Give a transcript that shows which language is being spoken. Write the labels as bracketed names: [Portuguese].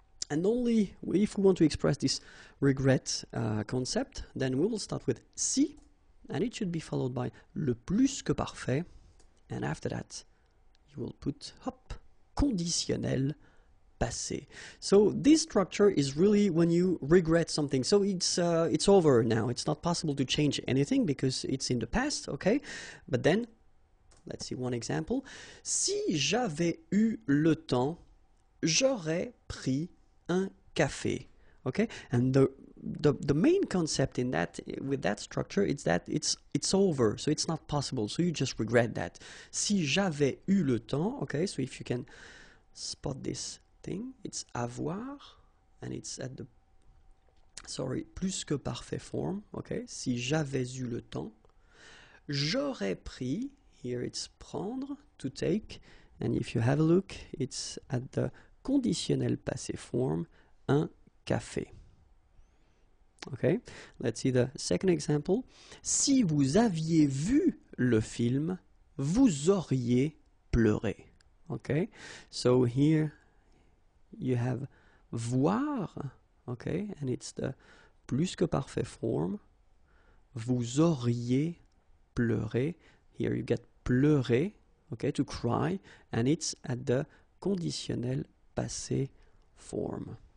[English] And only if we want to express this regret concept, then we will start with si, and it should be followed by le plus que parfait. And after that, you will put, hop, conditionnel passé. So this structure is really when you regret something. So it's over now. It's not possible to change anything because it's in the past, okay? But then, let's see one example. [French] Si j'avais eu le temps, j'aurais pris un café. [English] Okay? And the main concept in that with that structure is that it's over. So it's not possible. So you just regret that. [French] Si j'avais eu le temps, [English] okay? So if you can spot this thing, it's avoir, and it's at the, sorry, plus que parfait form, okay, [French] si j'avais eu le temps, j'aurais pris, [English] here it's prendre, to take, and if you have a look, it's at the conditionnel passé form, [French] un café. [English] Okay, let's see the second example. [French] Si vous aviez vu le film, vous auriez pleuré. [English] Okay, so here, you have voir, okay, and it's the plus que parfait form. [French] Vous auriez pleuré. [English] Here you get pleuré, okay, to cry, and it's at the [French] conditionnel passé form.